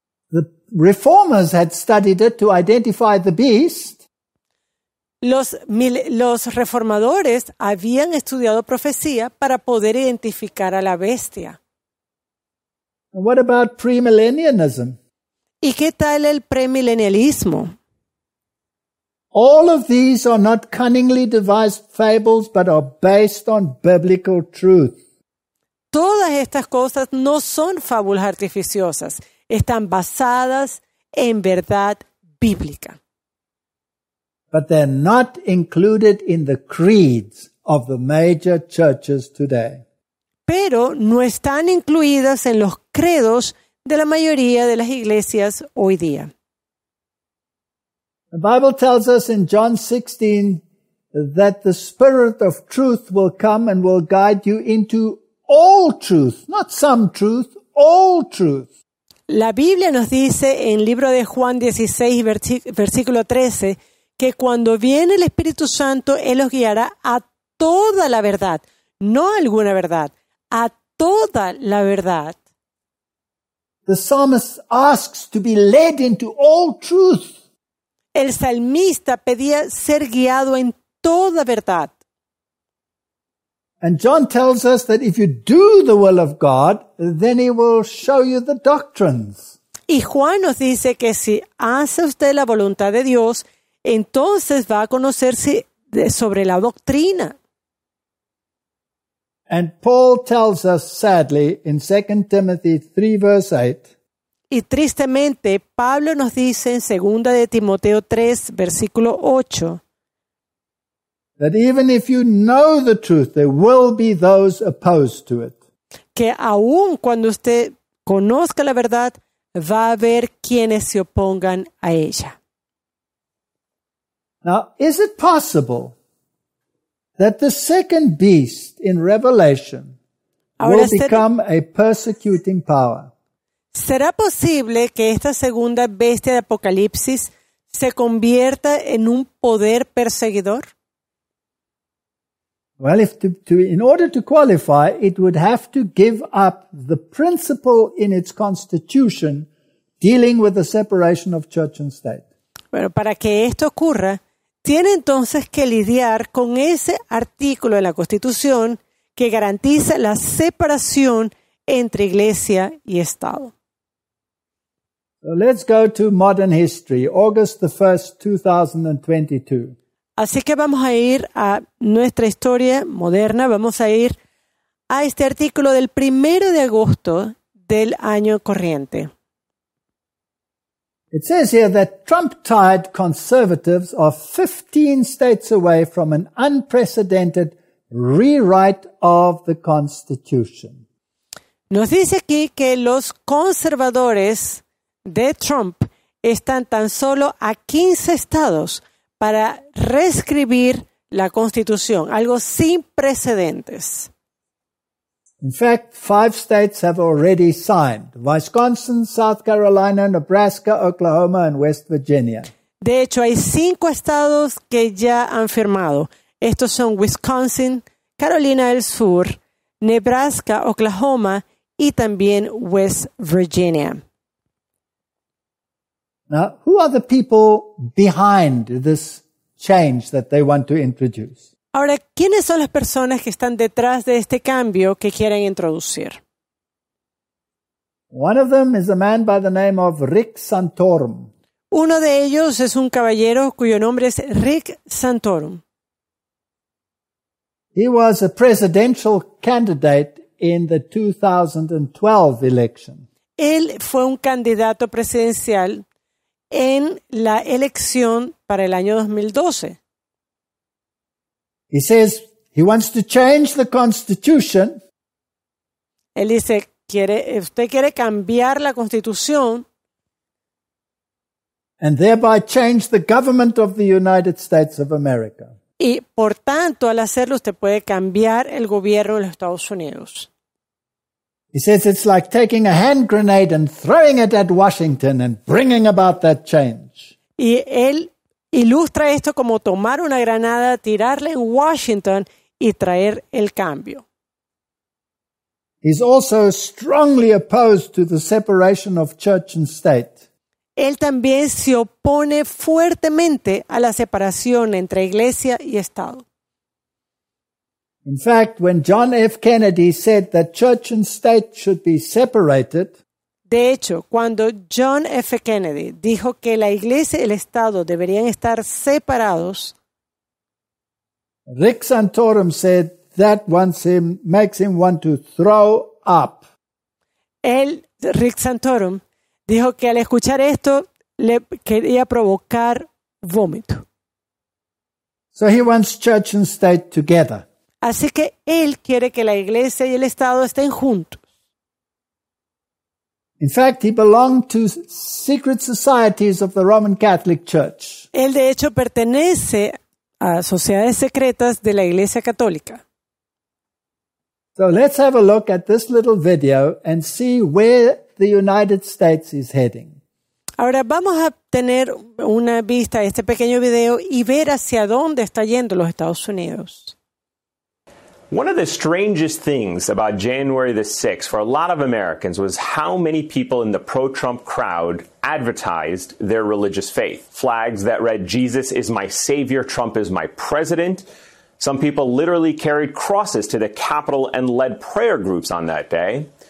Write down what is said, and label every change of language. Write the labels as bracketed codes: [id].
[en] The reformers had studied it to identify the beast. [es] Los reformadores habían estudiado profecía para poder identificar a la bestia. [en] What about premillennialism? [es] ¿Y qué tal el premillennialismo? [en] All of these are not cunningly devised fables, but are based on biblical truth. [es] Todas estas cosas no son fábulas artificiosas, están basadas en verdad bíblica. [en] But they're not included in the creeds of the major churches today. [es] Pero no están incluidas en los credos de la mayoría de las iglesias hoy día. [en] The Bible tells us in John 16 that the Spirit of truth will come and will guide you into all truth, not some truth, all truth. [es] La Biblia nos dice en el libro de Juan 16, versículo 13, que cuando viene el Espíritu Santo, Él os guiará a toda la verdad, no alguna verdad, a toda la verdad. [en] The psalmist asks to be led into all truth. [es] El salmista pedía ser guiado en toda verdad. [en] And John tells us that if you do the will of God, then he will show you the doctrines. [es] Y Juan nos dice que si hace usted la voluntad de Dios, entonces va a conocerse sobre la doctrina. [en] And Paul tells us sadly in 2 Timothy 3 verse 8. [es] Y tristemente Pablo nos dice en 2 de Timoteo 3 versículo 8. [en] That even if you know the truth, there will be those opposed to it. [es] Que aun cuando usted conozca la verdad, va a haber quienes se opongan a ella. [en] Now, is it possible that the second beast in Revelation will become a persecuting power? [es] ¿Será posible que esta segunda bestia de Apocalipsis se convierta en un poder perseguidor? [en] Well, in order to qualify, it would have to give up the principle in its constitution dealing with the separation of church and state. [es] Bueno, para que esto ocurra, tiene entonces que lidiar con ese artículo de la Constitución que garantiza la separación entre iglesia y Estado. [en] So let's go to modern history, August the 1st, 2022. [es] Así que vamos a ir a nuestra historia moderna, vamos a ir a este artículo del 1 de agosto del año corriente. [en] It says here that Trump-tied conservatives are 15 states away from an unprecedented rewrite of the Constitution. [es] Nos dice aquí que los conservadores de Trump están tan solo a 15 estados para reescribir la Constitución, algo sin precedentes. [en] In fact, 5 states have already signed: Wisconsin, South Carolina, Nebraska, Oklahoma, and West Virginia. [es] De hecho, hay 5 estados que ya han firmado. Estos son Wisconsin, Carolina del Sur, Nebraska, Oklahoma, y también West Virginia. [en] Now, who are the people behind this change that they want to introduce? [es] Ahora, ¿quiénes son las personas que están detrás de este cambio que quieren introducir? [en] One of them is a man by the name of Rick Santorum. [es] Uno de ellos es un caballero cuyo nombre es Rick Santorum. [en] He was a presidential candidate in the 2012 election. [es] Él fue un candidato presidencial en la elección para el año 2012. [en] He says he wants to change the Constitution. [es] Él dice, ¿usted quiere cambiar la Constitución? [en] And thereby change the government of the United States of America. [es] Y por tanto, al hacerlo, usted puede cambiar el gobierno de los Estados Unidos. [en] He says it's like taking a hand grenade and throwing it at Washington and bringing about that change. [es] Y él ilustra esto como tomar una granada, tirarla en Washington y traer el cambio. [en] He's also strongly opposed to the separation of church and state. [es] Él también se opone fuertemente a la separación entre iglesia y Estado. [en] In fact, when John F. Kennedy said that church and state should be separated, [es] de hecho, cuando John F. Kennedy dijo que la iglesia y el Estado deberían estar separados, [en] Rick Santorum said that makes him want to throw up. [es] Rick Santorum dijo que al escuchar esto le quería provocar vómito. [en] So he wants church and state together. [es] Así que él quiere que la iglesia y el Estado estén juntos. [en] In fact, he belonged to secret societies of the Roman Catholic Church. [es] Él de hecho pertenece a sociedades secretas de la Iglesia Católica. [en] So let's have a look at this little video and see where the United States is heading. [es] Ahora vamos a tener una vista a este pequeño video y ver hacia dónde está yendo los Estados Unidos. [en] One of the strangest things about January the 6th for a lot of Americans was how many people in the pro-Trump crowd advertised their religious faith. Flags that read, "Jesus is my savior, Trump is my president." Some people literally carried crosses to the Capitol and led prayer groups on that day.